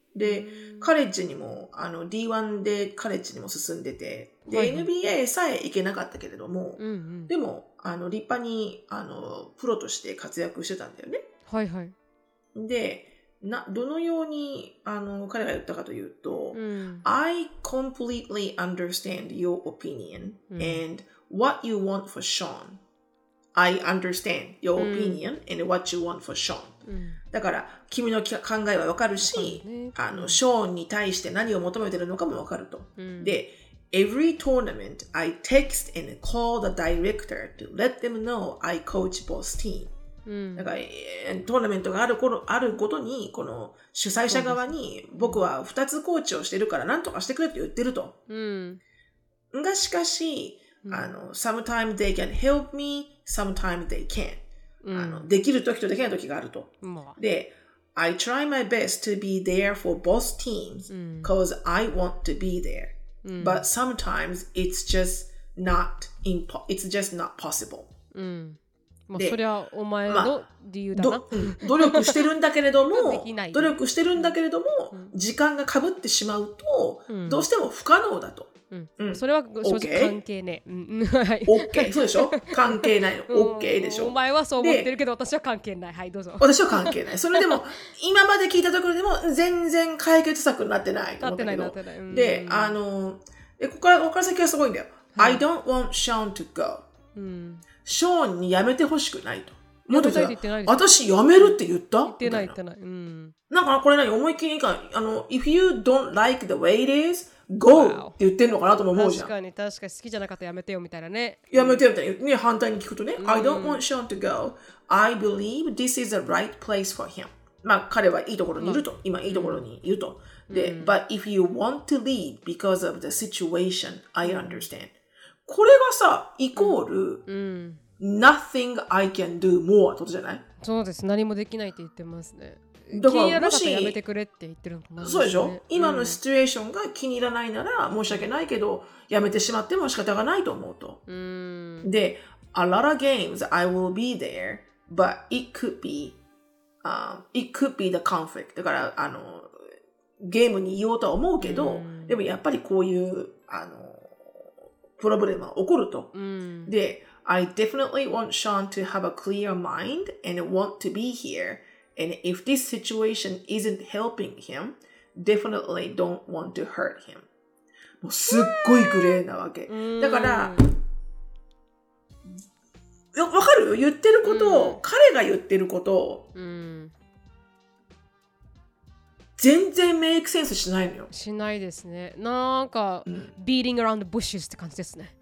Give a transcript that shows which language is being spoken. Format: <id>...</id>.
<ja>うん、で、カレッジにも、あの、D1 でカレッジにも進んでて、で、はいはい、NBA さえ行けなかったけれども、うんうん、でも、あの、立派に、あの、プロとして活躍してたんだよね。はいはい。で、どのようにあの彼が言ったかというと、うん、</ja> <en>I completely understand your opinion、うん、and what you want for Sean. I understand your opinion、うん、and what you want for Sean.、</en> <ja>うん、だから、君の考えはわかるし、あの、Sean に対して何を求めてるのかもわかると、うん。</ja> <en>で、Every tournament, I text and call the director to let them know I coach both teams.</en> <ja>うん、だからトーナメントがあるごとにこの主催者側に僕は2つコーチをしてるから何とかしてくれって言ってると、うん、がしかし、</ja> <en>うん、あの Sometimes they can help me Sometimes they can、</en> <ja>うん、あのできる時とできない時があると、うん、</ja> <en>で I try my best to be there for both teams cause I want to be there、</en> <ja>うん、</ja> <en>but sometimes it's just not it's just not possible、</en> <ja>うんまあ、それはお前の理由だな、まあ、努力してるんだけれどもできない努力してるんだけれども、うん、時間が被ってしまうと、うん、どうしても不可能だと、うんうん、それは正直関係ねえ OK そうでしょ関係ない OK でしょお前はそう思ってるけど私は関係ないはいどうぞ私は関係ないそれでも今まで聞いたところでも全然解決策になってないと思ったけどなってない、うん、であのでここから先はすごいんだよ、はい、</ja> <en>I don't want Sean to go、</en> <ja>うんショーンに辞めてほしくないと。もっと言ってないです。私辞めるって言った？言ってない言ってない。うん。なんかこれ何思いっきりか、</ja> <en>あの、If you don't like the way it is, go!、Wow.</en> <ja>って言ってんのかなとも思うじゃん。確かに確かに好きじゃなかったら辞めてよみたいなね。辞めてよみたいな。</ja> <en>ね、</en> <ja>反対に聞くとね、</ja> <en>うん。I don't want Sean to go.I believe this is the right place for him.</en> <ja>まあ彼はいいところにいると。</ja> <en>うん、</en> <ja>今いいところにいると。</ja> <en>うん、で、うん、But if you want to leave because of the situation, I understand.、</en> <ja>うんこれがさ、イコール、うん、</ja> <en>nothing I can do more</en> <ja>ってことじゃない？そうです。何もできないって言ってますね。だから、気に入らなかったらやめてくれって言ってるのかな、ね、そうでしょ、うん、今のシチュエーションが気に入らないなら申し訳ないけど、やめてしまっても仕方がないと思うと。うん、</ja> <en>で、A lot of games, I will be there, but it could be the conflict.</en> <ja>だから、あの、ゲームに言おうとは思うけど、うん、でもやっぱりこういう、あの、プロブレムは起こると。うん、</ja> <en>で、I definitely want Sean to have a clear mind and want to be here. And if this situation isn't helping him, definitely don't want to hurt him.</en> <ja>もうすっごいグレーなわけ。だから、わかる？言ってることを、彼が言ってることを、全然メイクセンスしないのよ。しないですね。なんか、うん、</ja> <en>beating around the bushes</en> <ja>って感じですね。</ja>